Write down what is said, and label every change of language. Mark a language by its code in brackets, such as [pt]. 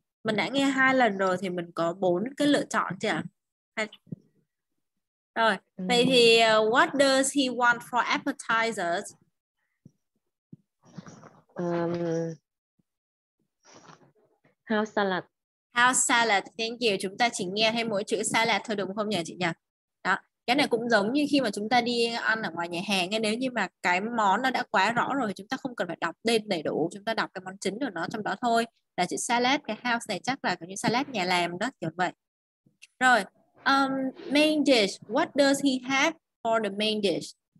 [vi] Mình đã nghe hai lần rồi thì mình có bốn cái lựa chọn chứ ạ. Rồi, vậy thì [en] what does he want for appetizers? House salad. House salad, thank you. [vi] Chúng ta chỉ nghe thêm mỗi chữ salad thôi đúng không nhỉ chị nhỉ? Đó, cái này cũng giống như khi mà chúng ta đi ăn ở ngoài nhà hàng. Nếu như mà cái món nó đã quá rõ rồi thì chúng ta không cần phải đọc tên đầy đủ. Chúng ta đọc cái món chính của nó trong đó thôi. Là chữ salad, cái house này chắc là kiểu như salad nhà làm đó, kiểu vậy. [en] Rồi. Main dish. What does he have for the main dish?